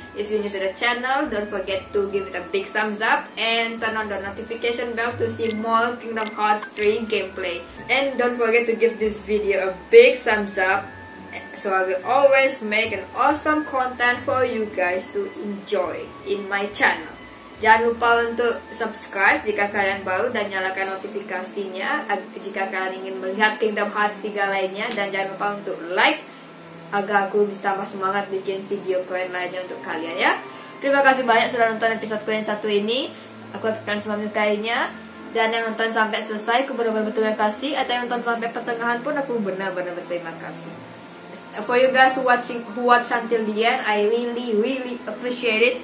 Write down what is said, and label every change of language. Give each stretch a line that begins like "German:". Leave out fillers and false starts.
English: If you're new to the channel, don't forget to give it a big thumbs up and turn on the notification bell to see more Kingdom Hearts 3 gameplay. And don't forget to give this video a big thumbs up so I will always make an awesome content for you guys to enjoy in my channel.
Indonesian: Jangan lupa untuk subscribe jika kalian baru dan nyalakan notifikasinya jika kalian ingin melihat Kingdom Hearts 3 lainnya. Dan jangan lupa untuk like agar aku bisa tambah semangat bikin video keren lainnya untuk kalian ya. Terima kasih banyak sudah nonton episode ku yang satu ini. Aku akan semua menyukainya. Dan yang nonton sampai selesai aku benar-benar berterima kasih. Atau yang nonton sampai pertengahan pun aku benar-benar berterima kasih.
English: For you guys who watch until the end, I really appreciate it.